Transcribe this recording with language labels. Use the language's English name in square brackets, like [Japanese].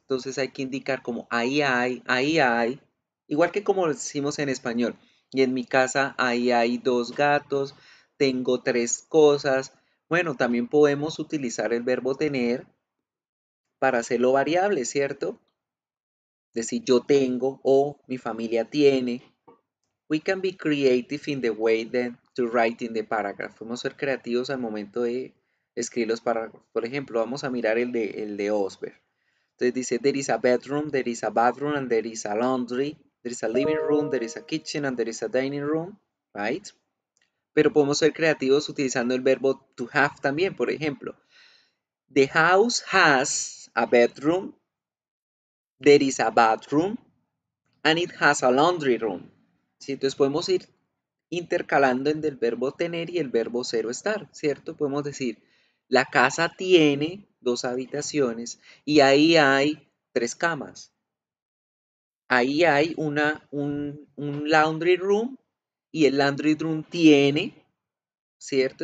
[Spanish] Entonces hay que indicar como ahí hay, igual que como decimos en español. Y en mi casa ahí hay dos gatos, tengo tres cosas. Bueno, también podemos utilizar el verbo tener para hacerlo variable, ¿cierto? Decir yo tengo o mi familia tiene. [English] We can be creative in the way then to write in the paragraph. [Spanish] Podemos ser creativos al momento de escribir los párrafos. Por ejemplo, vamos a mirar el de Osberg. [English] Entonces dice, there is a bedroom, there is a bathroom, and there is a laundry. There is a living room, there is a kitchen, and there is a dining room, right? [Spanish] Pero podemos ser creativos utilizando el verbo to have también. [English] Por ejemplo, the house has a bedroom, there is a bathroom, and it has a laundry room. [Spanish] ¿Sí? Entonces podemos ir intercalando entre el verbo tener y el verbo ser o estar, ¿cierto? Podemos decir, la casa tiene dos habitaciones y ahí hay tres camas. Ahí hay un laundry room y el laundry room tiene, ¿cierto?